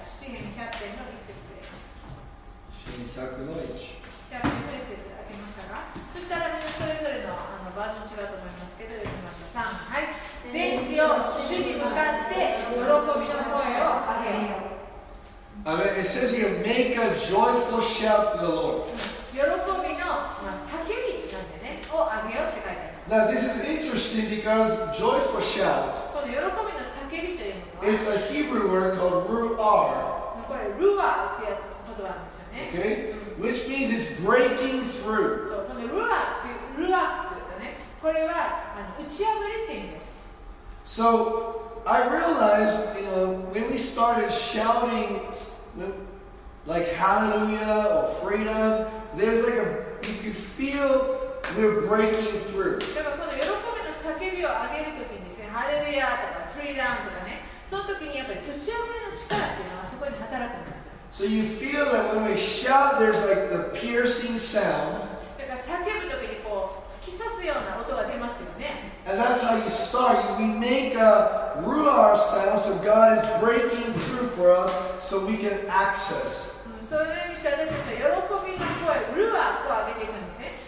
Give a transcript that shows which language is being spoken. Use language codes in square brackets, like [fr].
[ja] 詩篇100編の一節。 100の1。100 の1節開けましたか。そしたらみんなそれぞれ の, あのバージョン違うと思いますけど、行きましょう。 3。 はい。全地を主に向かって喜びの声を上げよう。Amen. [en] It says here, make a joyful shout to the Lord. [ja] 喜びの、まあ、叫びなんでね、を上げようって書いてある。 [en] Now this is interesting because joyful shout. [ja] この喜びの叫びというのは、 [en] It's a Hebrew word called ruar. [ja] これ、ruar ってやつ言葉なんですよ。 [en] Okay? Which means it's breaking through. [ja] So, このルアって、ルアってね、これは打ち破りって言うんです。 [en] So, I realized, you know, when we started shouting, like hallelujah or freedom, there's like a, you can feel we're breaking through. [ja] だからこの喜びの叫びを上げるときにですね、ハレルヤとかフリーダムとかね、そのときにやっぱり打ち破りの力っていうのはそこに働くんです。 [en] So you feel that when we shout, there's like the piercing sound. [ja] だから叫ぶときにこう突き刺すような音が出ますよね。 [en] And that's how you start. We make a ruar sound, so God is breaking through for us, so we can access. [ja] それにして私たちは喜びの声、ruar を上げていくんですね。